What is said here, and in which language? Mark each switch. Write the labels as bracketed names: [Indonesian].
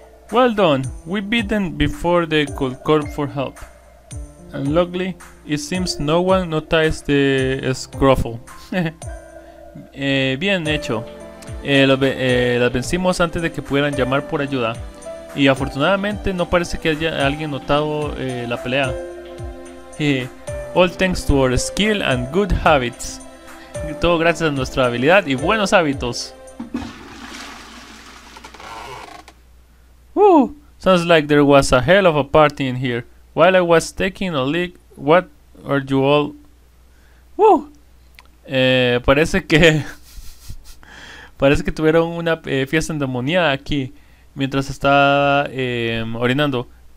[English] Well done, we beat them before they could call for help. And luckily, it seems no one noticed the scruffle. [Spanish] bien hecho. Las vencimos antes de que pudieran llamar por ayuda. Y afortunadamente no parece que haya alguien notado la pelea. [English] All thanks to our skill and good habits. [Spanish] Todo gracias a nuestra habilidad y buenos hábitos. [English] Woo! Sounds like there was a hell of a party in here. While I was taking a leak, what are you all? Woo! [Spanish] Parece que tuvieron una fiesta endemoniada aquí mientras estaba orinando.